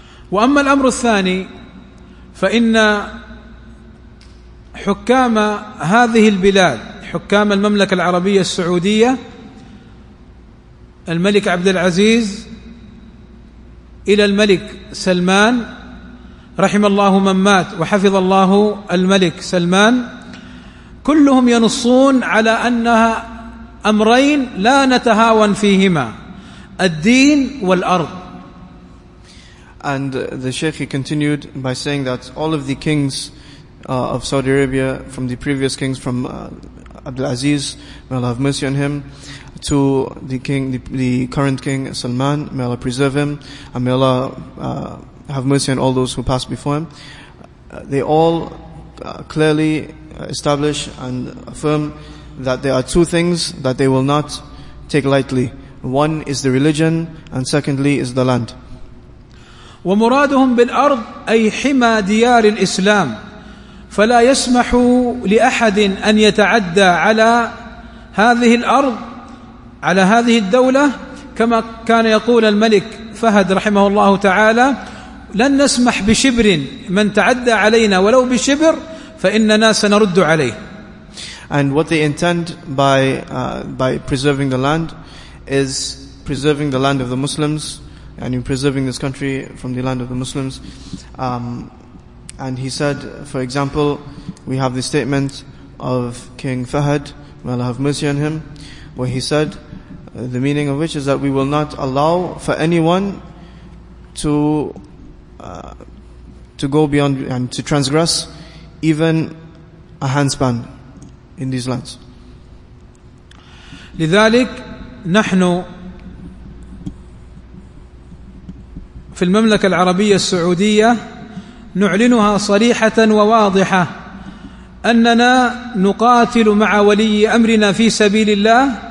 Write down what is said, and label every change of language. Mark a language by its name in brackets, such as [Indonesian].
[Arabic] وأما الأمر الثاني فإن حكام هذه البلاد حكام المملكة العربية السعودية الملك عبد العزيز إلى الملك سلمان رحم الله من مات وحفظ الله الملك سلمان كلهم ينصون على أنها أمرين لا نتهاون فيهما الدين والأرض. [English] And the Sheikh he continued by saying that all of the kings of Saudi Arabia from the previous kings from Abdul Aziz may Allah have mercy on him to the king the current king Salman may Allah preserve him and may Allah have mercy on all those who passed before him. They all clearly establish and affirm that there are two things that they will not take lightly. One is the religion and secondly is the land. [Arabic] ومرادهم بالأرض أي حما ديار الإسلام فلا يسمح لأحد أن يتعدى على هذه الأرض على هذه الدولة كما كان يقول الملك فهد رحمه الله تعالى لن نسمح بشبر من تعدى علينا ولو بشبر فإننا سنرد عليه. [English] And what they intend by preserving the land is preserving the land of the Muslims, and in preserving this country from the land of the Muslims. And he said, for example, we have the statement of King Fahd, may Allah have mercy on him, where he said, the meaning of which is that we will not allow for anyone to go beyond and to transgress even a handspan in these lands. [Arabic] لذلك نحن في المملكة العربية السعودية نعلنها صريحة وواضحة أننا نقاتل مع ولي أمرنا في سبيل الله